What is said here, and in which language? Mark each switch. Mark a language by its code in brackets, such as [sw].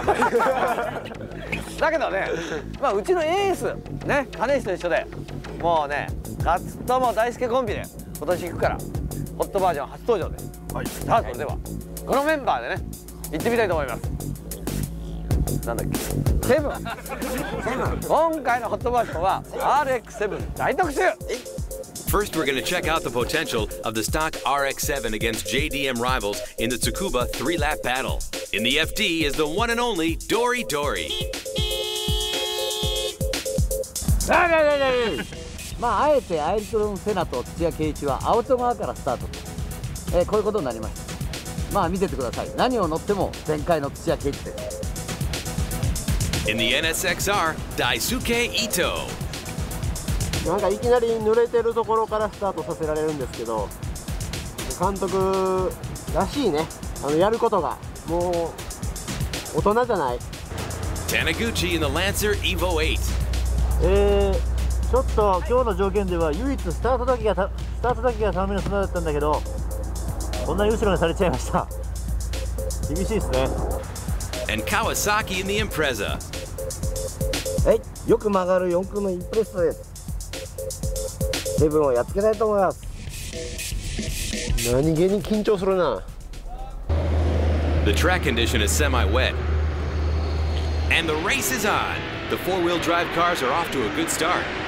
[ja] だけどね、まあ、うちのエースね、金石と一緒で、もうね、ガッツとも大輔コンビで今年行くから、ホットバージョン初登場です。はい、さあそれでは、はい、このメンバーでね、行ってみたいと思います。なんだっけ、セブン。セブン。今回のホットバージョンは RX7 大特集。 [en] First, we're going to check out the potential of the stock RX-7 against JDM rivals in the Tsukuba three-lap battle. In the FD is the one and only Dory Dory. [ja] まあ、あえてアイルトロン・セナと土屋圭一はアウト側からスタートと、こういうことになりました。まあ、見ててください。何を乗っても全開の土屋圭一です。 [en] In the NSXR, Daisuke Ito. [ja] なんかいきなり濡れてるところからスタートさせられるんですけど、監督らしいね、あのやることがもう大人じゃない。 [en] Taniguchi in the Lancer Evo 8。 [ja] ちょっと今日の条件では唯一スタートだけがためのスタートだったんだけど、こんなに後ろにされちゃいました。厳しいですね。 [en] And Kawasaki in the Impreza。 [ja] はい、よく曲がる4区のインプレッサです。セブンをやっつけたいと思います。何気に緊張するな。 [en] The track condition is semi-wet and the race is on. The four-wheel drive cars are off to a good start.